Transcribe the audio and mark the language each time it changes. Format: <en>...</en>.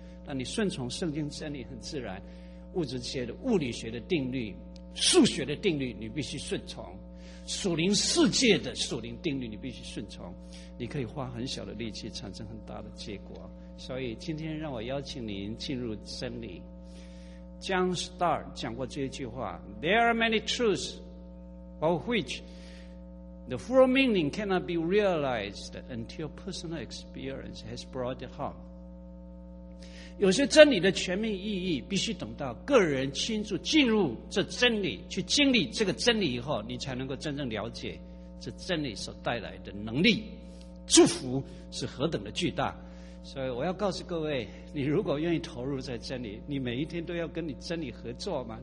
<zh>那你顺从圣经真理，很自然，物质界的物理学的定律、数学的定律，你必须顺从；属灵世界的属灵定律，你必须顺从。你可以花很小的力气，产生很大的结果。所以今天让我邀请您进入真理。</zh> <en>John Stott</en> <zh>讲过这句话</zh> <en>：“There are many truths of which the full meaning cannot be realized until personal experience has brought it home。”</en> <zh>有些真理的全面意义必须等到个人亲自进入这真理，去经历这个真理以后，你才能够真正了解这真理所带来的能力、祝福是何等的巨大。所以我要告诉各位，你如果愿意投入在真理，你每一天都要跟你真理合作嘛。</zh>